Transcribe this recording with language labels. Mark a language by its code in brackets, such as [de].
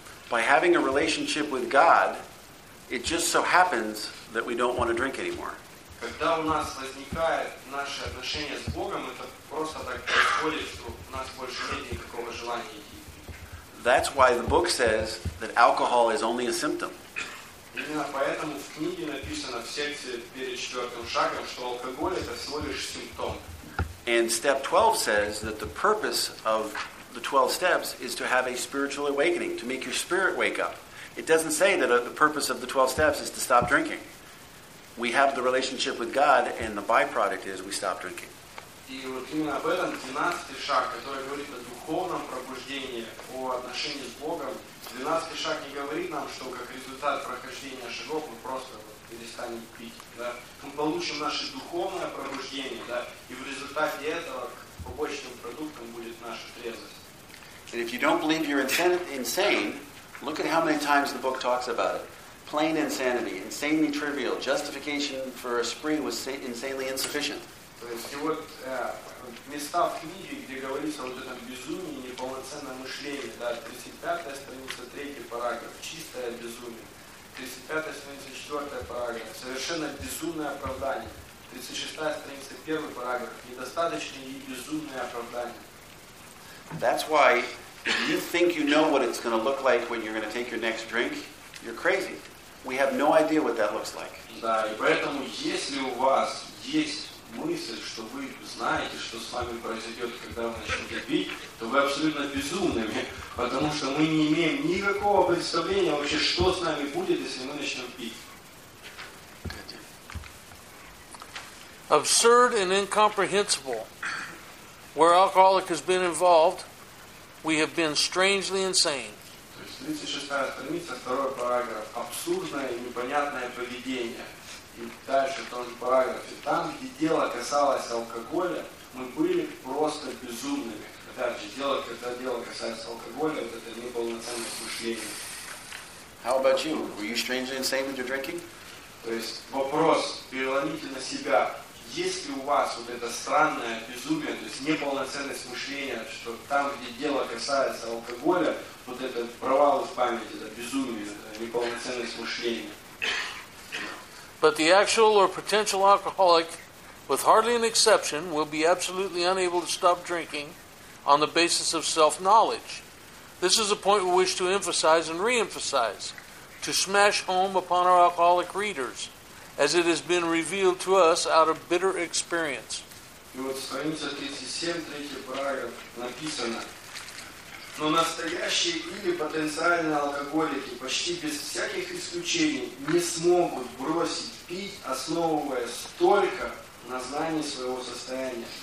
[en] By having a relationship with God, it just so happens that we don't want to drink anymore. [ru] Когда у нас возникает наше отношение с Богом, это просто так происходит, что у нас больше нет никакого желания идти. [en] That's why the book says that alcohol is only a symptom. [ru] Именно поэтому в книге написано в секции перед четвертым шагом, что алкоголь это всего лишь симптом. [en] And step 12 says that the purpose of the 12 steps is to have a spiritual awakening, to make your spirit wake up. It doesn't say that the purpose of the 12 steps is to stop drinking. We have the relationship with God, and the byproduct is we stop drinking. [ru] И вот именно об этом 12-й шаг, который говорит о духовном пробуждении, о отношении с Богом. 12-й шаг не говорит нам, что как результат прохождения шагов мы просто перестанем пить. Да? Мы получим наше духовное пробуждение, да? И в результате этого побочным продуктом будет наша трезвость. [en] And if you don't believe you're insane, look at how many times the book talks about it. Plain insanity, insanely trivial, justification for a spree was insanely insufficient. [ru] То есть, и вот места в книге, где говорится вот этом безумии, неполноценном мышлении, да, 35-я страница, 3-й параграф, чистое безумие, 35-я страница, 4-й параграф, совершенно безумное оправдание, 36-я страница, 1-й параграф, недостаточное и безумное оправдание. [en] That's why if you think you know what it's going to look like when you're going to take your next drink, you're crazy. We have no idea what that looks like. [ru] Да, и поэтому, если у вас есть мысль, что вы знаете, что с вами произойдет, когда вы начнете пить, то вы абсолютно безумными, потому что мы не имеем никакого представления вообще, что с нами будет, если мы начнем пить. [en] absurd and incomprehensible. Where alcoholic has been involved, we have been strangely insane. [ru] 36-я страница, второй параграф. Абсурдное и непонятное поведение. И дальше тот же параграф. И там, где дело касалось алкоголя, мы были просто безумными. Дальше, дело, когда дело касается алкоголя, вот это неполноценное мышление. [en] How about you? Were you strangely insane with your drinking? [ru] То есть вопрос, переломите на себя. Есть ли у вас вот это странное безумие, то есть неполноценность мышления, что там, где дело касается алкоголя, вот этот провал в памяти, это безумие, это неполноценность мышления. [en] But the actual or potential alcoholic, with hardly an exception, will be absolutely unable to stop drinking on the basis of self-knowledge. This is a point we wish to emphasize and re-emphasize, to smash home upon our alcoholic readers, as it has been revealed to us out of bitter experience. [ru] И вот страница 37, третий параграф, написано. Но настоящие или потенциальные алкоголики почти без всяких исключений не смогут бросить пить, основываясь только на знании своего состояния.